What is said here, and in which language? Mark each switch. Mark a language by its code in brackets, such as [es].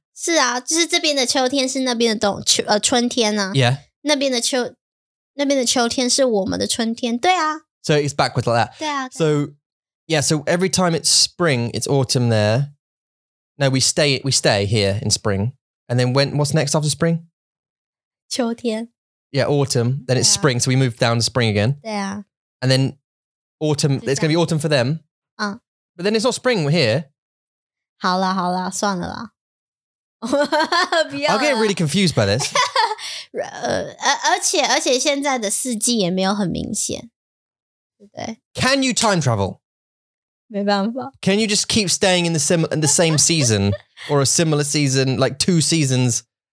[zh] 是啊,就是这边的秋天是那边的春天啊. [en] Yeah. [zh] 那边的秋天是我们的春天, 对啊. [en] So it's backwards like that. [zh] 对啊, 对啊. [en] So, yeah, so every time it's spring, it's autumn there. No, we stay here in spring. And then what's next after spring? [zh] 秋天. [en] Yeah, autumn. Then it's spring, so we move down to spring again. Yeah. And then autumn, it's going to be autumn for them. But then it's not spring here. [zh] 好啦,算了啦. [en] I'll get really confused by this. [zh] 而且现在的四季也没有很明显。对, [en] can you time travel? [zh] 没办法. [en] Can you just keep staying in the same season or a similar season, like two seasons?